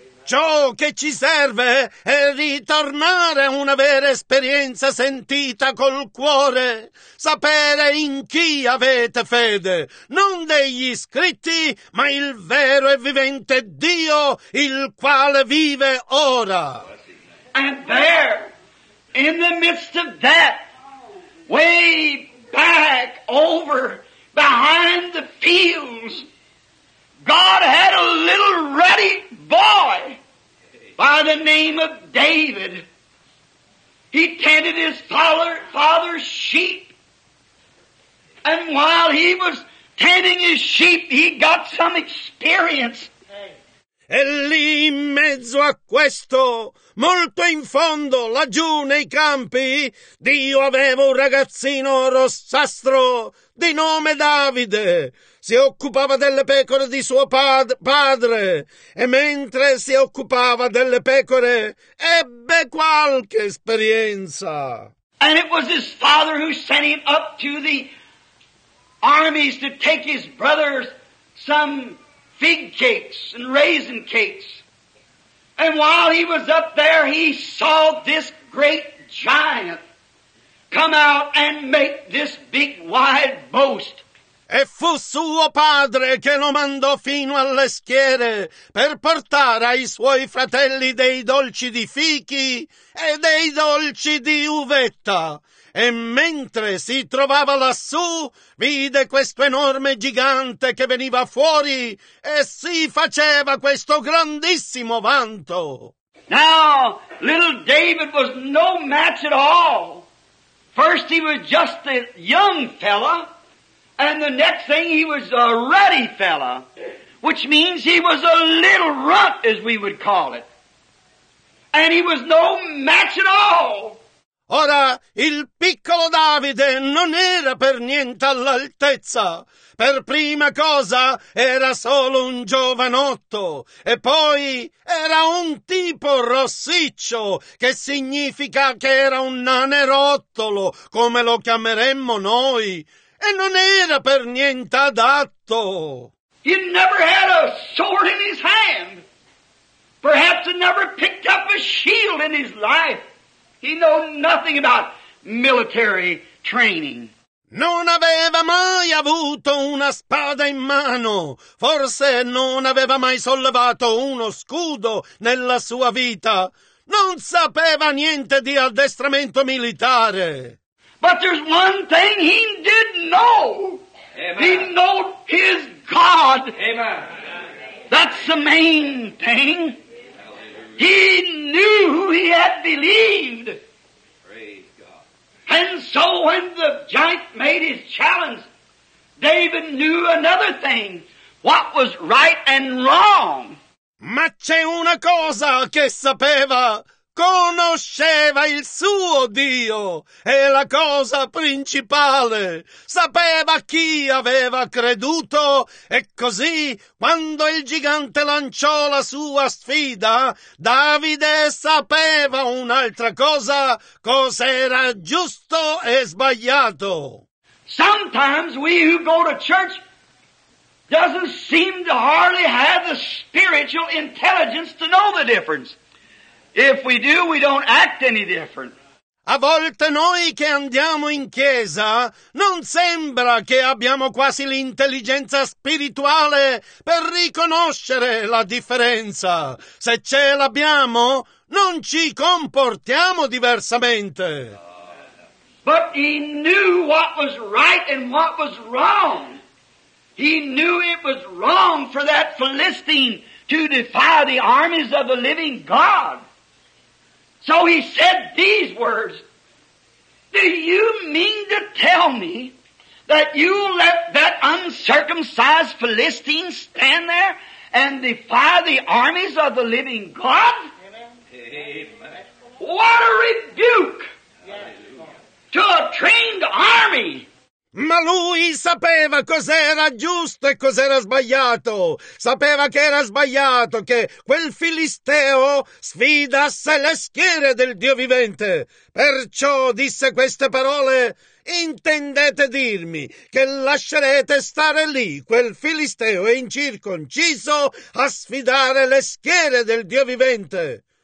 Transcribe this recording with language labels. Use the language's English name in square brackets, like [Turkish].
[Italian] Ciò che ci serve è ritornare a una vera esperienza sentita col cuore. Sapere in chi avete fede. Non degli scritti, ma il vero e vivente Dio, il quale vive ora. [English] And there. In the midst of that, way back over behind the fields, God had a little ruddy boy by the name of David. He tended his father's sheep. And while he was tending his sheep, he got some experience. [Italian] E lì in mezzo a questo, molto in fondo, laggiù nei campi, Dio aveva un ragazzino rossastro di nome Davide. Si occupava delle pecore di suo padre e mentre si occupava delle pecore ebbe qualche esperienza. [English] And it was his father who sent him up to the armies to take his brothers some fig cakes and raisin cakes. And while he was up there, he saw this great giant come out and make this big wide boast. [Italian] E fu suo padre che lo mandò fino alle schiere per portare ai suoi fratelli dei dolci di fichi e dei dolci di uvetta. E mentre si trovava lassù, vide questo enorme gigante che veniva fuori e si faceva questo grandissimo vanto. [English] Now, little David was no match at all. First he was just a young fella, and the next thing he was a ruddy fella, which means he was a little runt, as we would call it. And he was no match at all. [Italian] Ora, il piccolo Davide non era per niente all'altezza. Per prima cosa era solo un giovanotto e poi era un tipo rossiccio, che significa che era un nanerottolo, come lo chiameremmo noi, e non era per niente adatto. [English] He never had a sword in his hand. Perhaps he never picked up a shield in his life. He knew nothing about military training. [Italian] Non aveva mai avuto una spada in mano. Forse non aveva mai sollevato uno scudo nella sua vita. Non sapeva niente di addestramento militare. [English] But there's one thing he did know. Amen. He knew his God. Amen. That's the main thing. He knew who he had believed. Praise God. And so when the giant made his challenge, David knew another thing, what was right and wrong. [Italian] Ma c'è una cosa che sapeva, conosceva il suo Dio, è la cosa principale. Sapeva chi aveva creduto e così, quando il gigante lanciò la sua sfida, Davide sapeva un'altra cosa, cos'era giusto e sbagliato. [English] Sometimes we who go to church doesn't seem to hardly have the spiritual intelligence to know the difference. If we do, we don't act any different. [Italian] A volte noi che andiamo in chiesa non sembra che abbiamo quasi l'intelligenza spirituale per riconoscere la differenza. Se ce l'abbiamo, non ci comportiamo diversamente. [English] But he knew what was right and what was wrong. He knew it was wrong for that Philistine to defy the armies of the living God. So he said these words, Do you mean to tell me that you let that uncircumcised Philistine stand there and defy the armies of the living God? Amen. What a rebuke to a trained army! [Italian] Ma lui sapeva cos'era giusto e cos'era sbagliato. Sapeva che era sbagliato che quel filisteo sfidasse le schiere del Dio vivente. Perciò disse queste parole: intendete dirmi che lascerete stare lì quel filisteo e incirconciso a sfidare le schiere del Dio vivente?